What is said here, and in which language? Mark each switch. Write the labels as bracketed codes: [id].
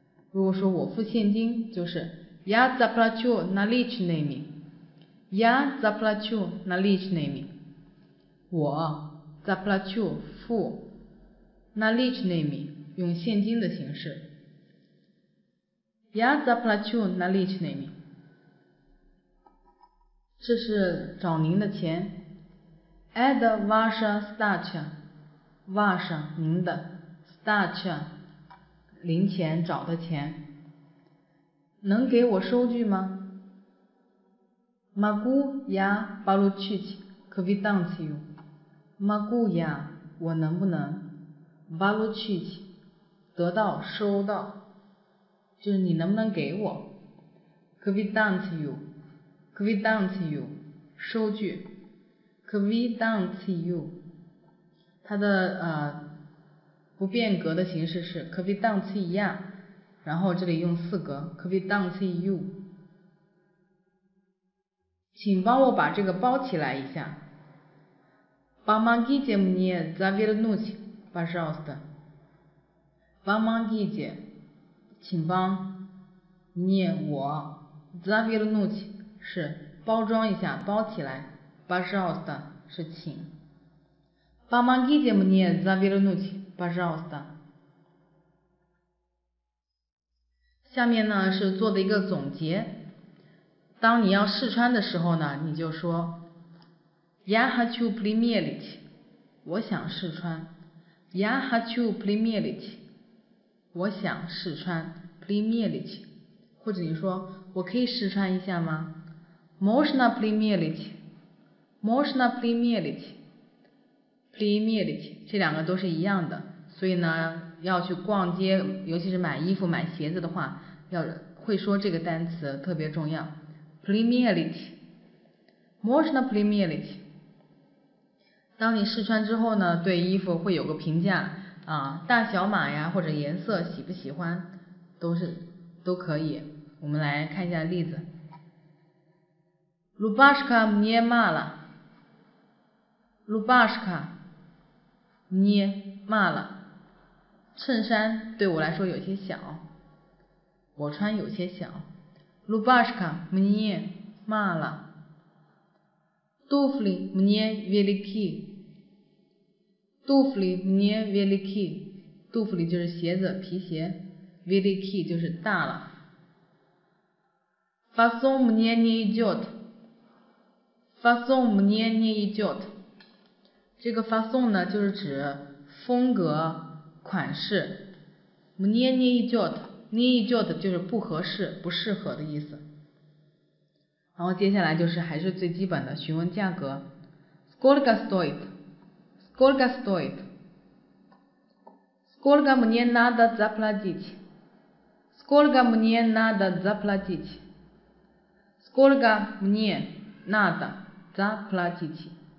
[zh] 如果说我付现金，就是 [ru] я заплачу наличными， [zh] я заплачу наличными， 我 заплачу 付 наличными 用现金的形式， я заплачу наличными， 这是找您的钱。 [ru] это ваша сдача， [zh] ваша 您的， сдача零钱找的钱，能给我收据吗？ [ru] могу я получить квитанцию， могу я [zh] 我能不能， получить 得到收到，就是你能不能给我 квитанцию， квитанцию 收据， квитанцию 它的不变格的形式是 квитанция， 然后这里用四格 квитанцию， 请帮我把这个包起来一下。 [ru] помогите мне завернуть пожалуйста， [zh] помогите 请帮мне 我 завернуть 是包装一下、包起来， пожалуйста 是请。 [ru] помогите мне завернуть пожалуйста。 [zh] 下面呢是做的一个总结。当你要试穿的时候呢，你就说 [ru] я хочу примерить， [zh] 我想试穿， я [ru] хочу примерить， [zh] 我想试穿 примерить， 或者你说我可以试穿一下吗？ [ru] можно примерить， можно примерить， [zh] примерить 这两个都是一样的，所以呢要去逛街，尤其是买衣服买鞋子的话，要会说这个单词特别重要。 primarily， можно primarily， 当你试穿之后呢，对衣服会有个评价啊，大小码呀或者颜色喜不喜欢都可以。我们来看一下例子。 [ru] рубашка мне мала， рубашка мне мала， [zh] 衬衫对我来说有些小，我穿有些小。 [ru] Рубашка мне мало. Туфли мне велики. Туфли мне велики. [zh] Туфли 就是鞋子皮鞋 велики 就是大了。 [ru] Фасон мне не идет. Фасон мне не идет. [zh] 这个 фасон 呢就是指风格款式。 [ru] Мне не идет. Не идет [zh] 就是不合适不适合的意思。然后接下来就是还是最基本的询问价格。 [ru] Сколько стоит? Сколько стоит? Сколько мне надо заплатить? Сколько мне надо заплатить? Сколько мне надо заплатить?